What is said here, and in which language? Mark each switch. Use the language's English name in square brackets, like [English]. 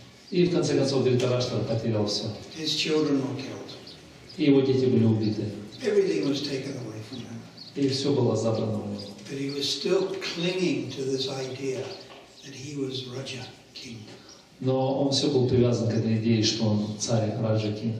[Russian] И в конце концов Дхритарашта потерял все. [English] His children were killed. [Russian] И его дети были убиты. [English] Everything was taken away from him. [Russian] И все было забрано у него. [English] But he was still clinging to this idea that he was Raja King. [Russian] Но он все был привязан к этой идее, что он царь Раджа.